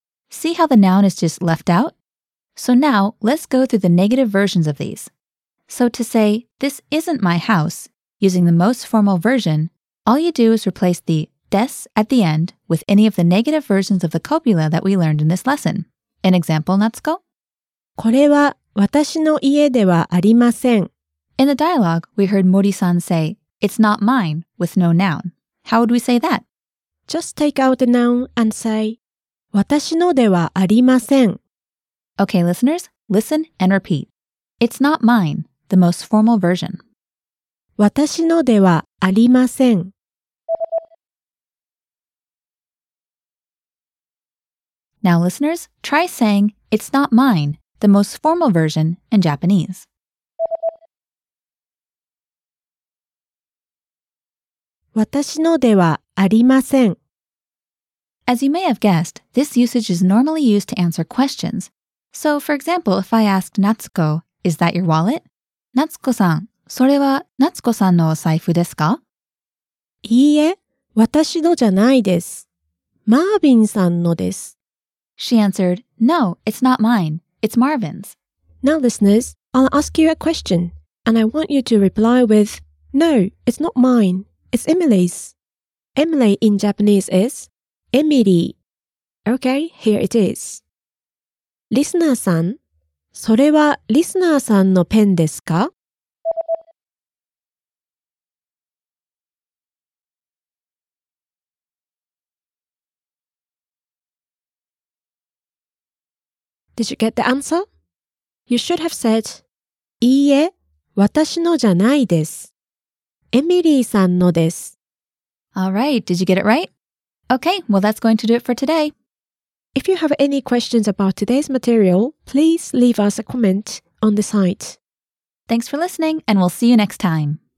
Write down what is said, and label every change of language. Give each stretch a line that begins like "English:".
English: See how the noun is just left out? So now, let's go through the negative versions of these. So to say, this isn't my house, using the most formal version, all you do is replace the des at the end with any of the negative versions of the copula that we learned in this lesson. An example, Natsuko?
Japanese: これは私の家ではありません。
English: In the dialogue, we heard Mori-san say, it's not mine, with no noun. How would we say that? Just take out the noun and say,
Japanese: 私のではありません。
English: Okay, listeners, listen and repeat. It's not mine, the most formal version.
Japanese: 私のではありません。
English: Now, listeners, try saying, it's not mine, the most formal version in Japanese. As you may have guessed, this usage is normally used to answer questions. So, for example, if I asked Natsuko, is that your wallet?
Japanese: Natsuko-san, それは Natsuko-san のお財布ですか? いいえ、私のじゃないです。マービンさんのです。
English: She answered, no, it's not mine. It's Marvin's. Now, listeners, I'll ask you a question, and I want you to reply with, no, it's not mine. It's Emily's. Emily in Japanese is Emily. Okay, here it is.
Japanese: リスナーさん、それはリスナーさんのペンですか?
English: Did you get the answer? You should have said,
Japanese: いいえ、私のじゃないです。 Emily さんのです。
English: All right, did you get it right? Okay, well that's going to do it for today. If you have any questions about today's material, please leave us a comment on the site. Thanks for listening, and we'll see you next time.